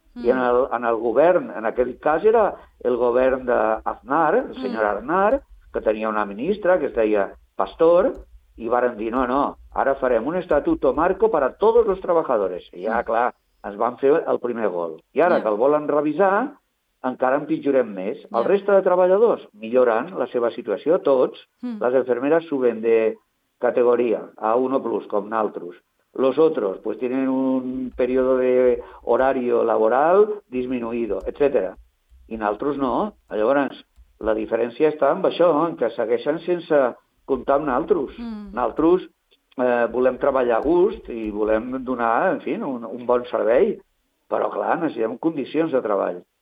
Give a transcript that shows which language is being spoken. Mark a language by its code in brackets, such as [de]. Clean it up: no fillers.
[ca] I en el govern, en aquell cas, era el govern d'Aznar, el senyor Aznar, que tenia una ministra que es deia Pastor, i varen dir, no, ara farem un [es] estatuto marco para todos los trabajadores. [ca] I ja, clar, ens van fer el primer gol. I ara que el volen revisar, encara empitjorem més. El reste de treballadors milloren la seva situació, tots. Les enfermeres suben de categoria a 1+, com naltros. [es] Los otros, pues tienen un periodo de horario laboral disminuido, etc. [ca] I naltros no. Llavors, la diferència està en això, en que segueixen sense comptar amb naltros. Naltros volem treballar a gust i volem donar, en fi, un bon servei, però, clar, necessitem condicions de treball.